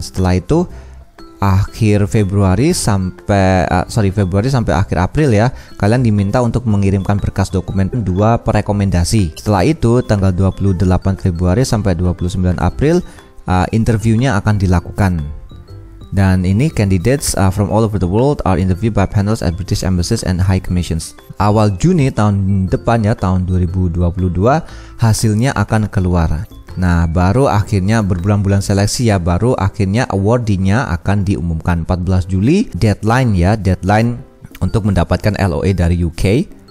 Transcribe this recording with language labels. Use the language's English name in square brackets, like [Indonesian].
[Indonesian] Setelah itu akhir Februari sampai Februari sampai akhir April ya, kalian diminta untuk mengirimkan berkas dokumen 2 perekomendasi. Setelah itu tanggal 28 Februari sampai 29 April interviewnya akan dilakukan. Dan ini [English] candidates from all over the world are interviewed by panels at British embassies and high commissions. [Indonesian] Awal Juni tahun depan ya, tahun 2022, hasilnya akan keluar. Nah, baru akhirnya berbulan-bulan seleksi ya, baru akhirnya awardinya akan diumumkan. 14 Juli deadline ya, deadline untuk mendapatkan LOA dari UK.